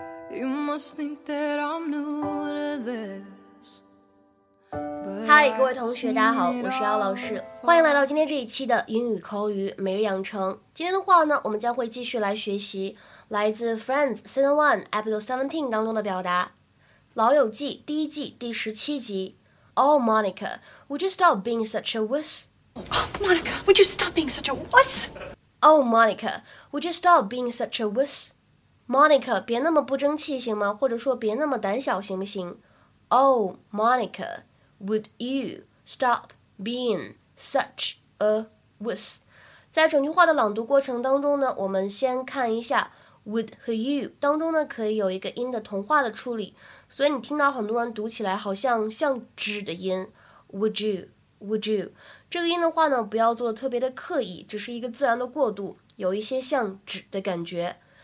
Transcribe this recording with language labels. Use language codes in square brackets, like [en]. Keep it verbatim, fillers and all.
[en] You must think that I'm new to this. But [zh] 嗨，各位同学，大家好，我是姚老师，欢迎来到今天这一期的英语口语每日养成。今天的话呢，我们将会继续来学习来自 Friends Season One Episode Seventeen 当中的表达，《老友记》第一季第十七集。 [en] Oh, Monica, would you stop being such a wuss? Oh, Monica, would you stop being such a wuss? Oh, Monica, would you stop being such a wuss? [zh] Monica, 别那么不争气行吗？或者说别那么胆小行不行？ [en] Oh, Monica, would you stop being such a wuss? [zh] 在整句话的朗读过程当中呢，我们先看一下would 和 you 当中呢，可以有一个音的同化的处理，所以你听到很多人读起来好像像纸的音 [en] would you would you [zh] 这个音的话呢，不要做特别的刻意，只是一个自然的过渡，有一些像纸的感觉。